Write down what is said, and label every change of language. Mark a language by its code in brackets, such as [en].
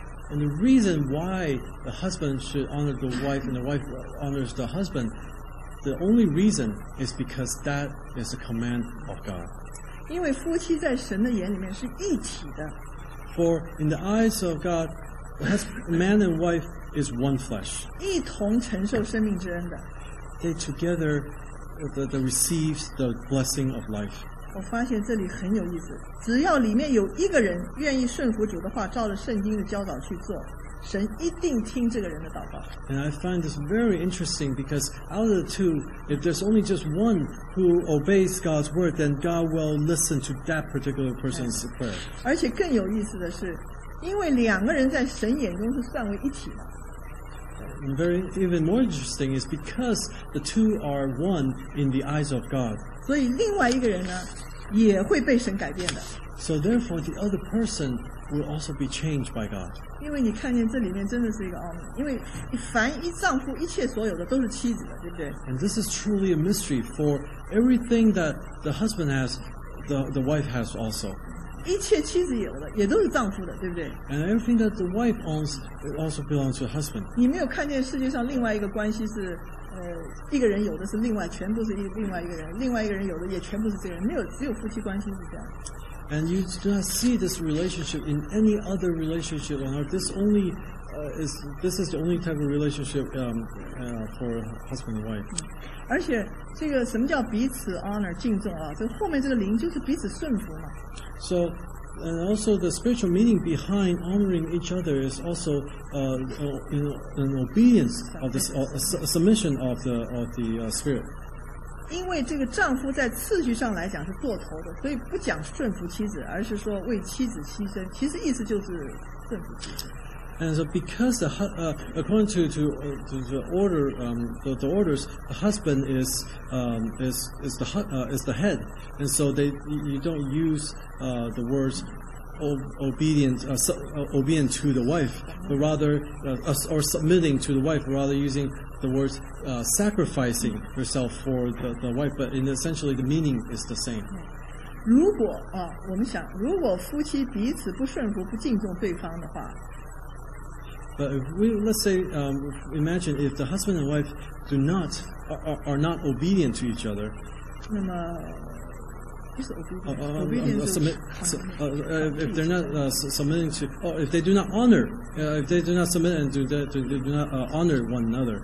[en] And the reason why the husband should honor the wife and the wife honors the husband, the only reason is because that is the command of God. [zh] 因为夫妻在神的眼里面是一体的。 [en] For in the eyes of God, man and wife is one flesh. [zh] 一同承受生命之恩的。 [en] They together the receive the blessing of life. [zh] 我发现这里很有意思。只要里面有一个人愿意顺服主的话，照着圣经的教导去做，神一定听这个人的祷告。 [en] And I find this very interesting because out of the two, if there's only just one who obeys God's word, then God will listen to that particular person's prayer. [zh] 而且更有意思的是，因为两个人在神眼中是算为一体的。 [en] And very even more interesting is because the two are one in the eyes of God. [zh] 所以另外一个人呢，也会被神改变的。 [en] So therefore, the other person will also be changed by God. [zh] 因为你看见这里面真的是一个奥秘，因为凡一丈夫一切所有的都是妻子的，对不对？ [en] And this is truly a mystery for everything that the husband has, the wife has also. [zh] 一切妻子有的也都是丈夫的，对不对？ [en] And everything that the wife owns also belongs to the husband. [zh] 你没有看见世界上另外一个关系是一个人有的是另外全部是另外一个人，另外一个人有的也全部是这个人，没有，只有夫妻关系是这样。 [en] And you do not see this relationship in any other relationship on earth. This is the only type of relationship for husband and wife. [zh] 而且这个什么叫彼此 honor 敬重啊？这后面这个灵就是彼此顺服嘛。 [en] So, and also the spiritual meaning behind honoring each other is also an obedience of this submission of the spirit. [zh] 因为这个丈夫在次序上来讲是做头的，所以不讲顺服妻子，而是说为妻子牺牲，其实意思就是顺服妻子。 [en] And so because according to the order the orders, the husband is the head, and so you don't use the words obedient to the wife, but rather or submitting to the wife, rather usingthe words sacrificing yourself for the wife, but essentially the meaning is the same. [zh] 如果啊，我们想，如果夫妻彼此不顺服、不敬重对方的话 [en] ，But if we let's say imagine if the husband and wife do not are not obedient to each other. [zh] 那么 [en] If they're not submitting to, if they do not honor, if they do not submit and do not honor one another.